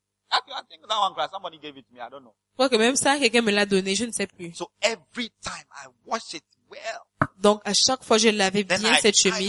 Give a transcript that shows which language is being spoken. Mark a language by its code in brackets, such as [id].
[en] I think that one class somebody gave it to me. I don't know. [fr] Quoi que même ça, quelqu'un me l'a donné, je ne sais plus. [en] So every time I wash it well. [fr] Donc à chaque fois je lavais bien cette chemise.